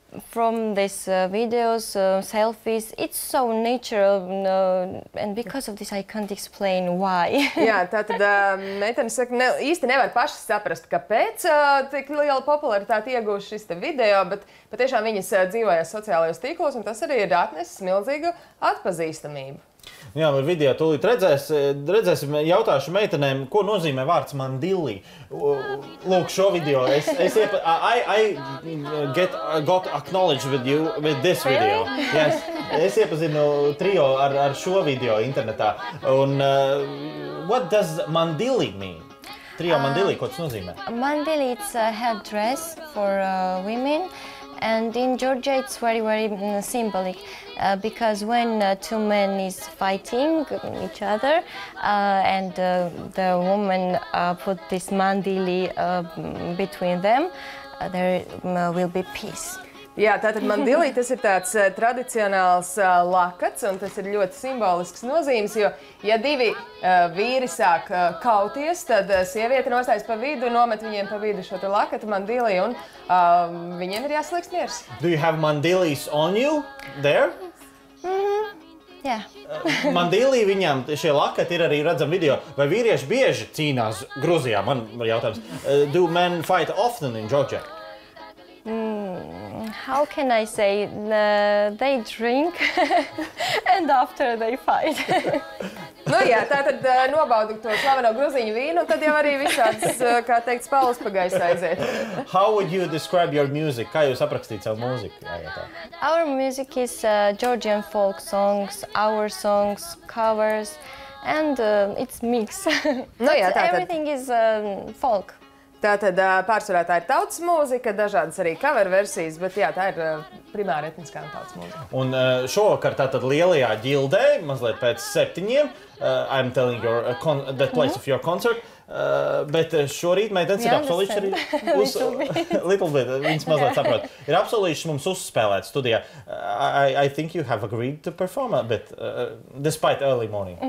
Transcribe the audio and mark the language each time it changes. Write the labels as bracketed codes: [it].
[en] From these videos, selfies, it's so natural, and because of this I can't explain why. [lv] Jā, tātad meitenes saka, īsti nevar paši saprast, kāpēc tik liela popularitāte ieguva šis te video, bet patiešām viņas dzīvojas sociālajos tīklos, un tas arī ir atnesis milzīgu atpazīstamību. Jā, bet video tūlīt redzēsim, jautāšu meitenēm, ko nozīmē vārds mandili. Lūk, šo video, [en] I got acknowledged with you with this video. Really? Yes. [lv] Es iepazinu trio ar šo video internetā. Un [en] what does mandili mean? [lv] Trio mandili, ko tas nozīmē? [en] Mandili, it's a headdress for women. And in Georgia it's very, very symbolic, because when two men is fighting each other and the woman put this mandili between them, there will be peace. [lv] Jā, tātad mandili, tas ir tāds tradicionāls lakats, un tas ir ļoti simbolisks nozīmes, jo ja divi vīri sāk kauties, tad sieviete nostājas pa vidu, nomet viņiem pa vidu šo lakatu mandili, un viņiem ir jāslīgs miers. [en] Do you have mandilis on you there? Yeah. [lv] Mandili viņam, šie lakati ir arī redzam video, vai vīrieši bieži cīnās Gruzijā, man jautājums. [en] Do men fight often in Georgia? How can I say? They drink and after they fight. [lv] Nu jā, tātad nobaudu to slaveno gruziņu vīnu, tad jau arī visāds, kā teikt, spalus pagaisa aiziet. [en] How would you describe your music? [lv] Kā jūs aprakstīt savu mūziku? [en] Our music is Georgian folk songs, our songs, covers, and it's mix. [lv] Nu jā, tātad. [en] Everything is folk. [lv] Tātad pārsvarā tā ir tautas mūzika, dažādas arī cover versijas, bet jā, tā ir primāra etniskā tautas mūzika. Un šovakar tātad lielajā ģildē, mazliet pēc septiņiem, [en] I'm telling your that place of your concert, [lv] bet šorīt meitenes ir apsolījuši arī uz... [en] little bit, [lv] viņas mazliet saprot. Ir apsolījuši mums uzspēlēt studijā. [en] I think you have agreed to perform a bit, despite early morning.